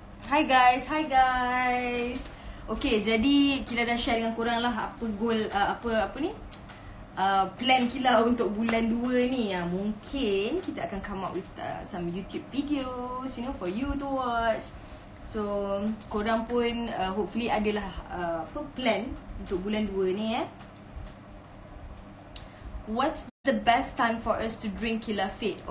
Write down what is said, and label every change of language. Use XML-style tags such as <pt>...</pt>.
<en>Hi guys. Okay,</en> <ms>jadi Kila dah share dengan korang lah apa goal, apa ni. Plan Kila untuk bulan 2 ni. Mungkin kita akan</ms> <en>come up with some YouTube videos, you know, for you to watch.</en> <ms>So korang pun hopefully adalah apa plan untuk bulan 2 ni eh.</ms> <en>What's the best time for us to drink Kila Fit?</en>